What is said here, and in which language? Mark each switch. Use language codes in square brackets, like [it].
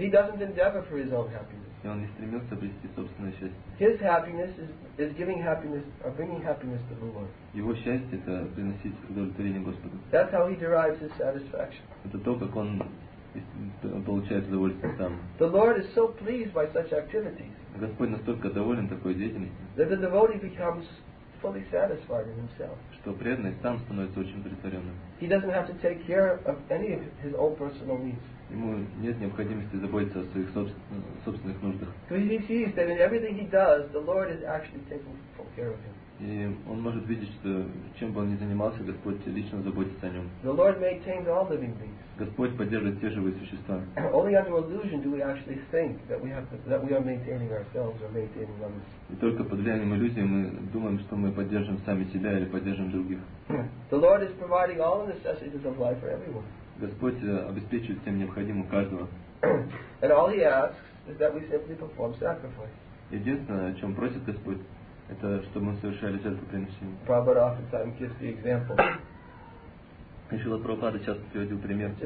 [en] He doesn't endeavor for his own happiness. [ru] И он не стремился обрести собственное счастье. [en] His happiness is giving happiness or bringing happiness to the Lord. [ru] Его счастье это приносить удовлетворение Господу. [en] That's how he derives his satisfaction. [ru] Это то, как он получает удовольствие сам. [en] The Lord is so pleased by such activities. [ru] Господь настолько доволен такой деятельностью. [en] That the devotee becomes fully satisfied in himself. [ru] Что преданный сам становится очень удовлетворенным. [en] He doesn't have to take care of any of his own personal needs. [ru] Ему нет необходимости заботиться о своих собственных нуждах. [en] Because he sees that in everything he does, the Lord is actually taking full care of him. [ru] И он может видеть, что чем бы он ни занимался, Господь лично заботится о нем. [en] The Lord maintains all living beings. [ru] Господь поддерживает все живые существа. [en] Only under illusion do we actually think that we are maintaining ourselves or maintaining others. [ru] И только под влиянием иллюзии мы думаем, что мы поддерживаем сами себя или поддерживаем других. [en] The Lord is providing all the necessities of life for everyone. [ru] Господь обеспечивает всем необходимым каждого. [en] And all he asks is that we simply perform sacrifice. [ru] Единственное, о чем просит Господь, это чтобы мы совершали жертвоприношение. [en] Prabhupada oftentimes gives the example. [ru] Шрила Прабхупада часто приводил пример.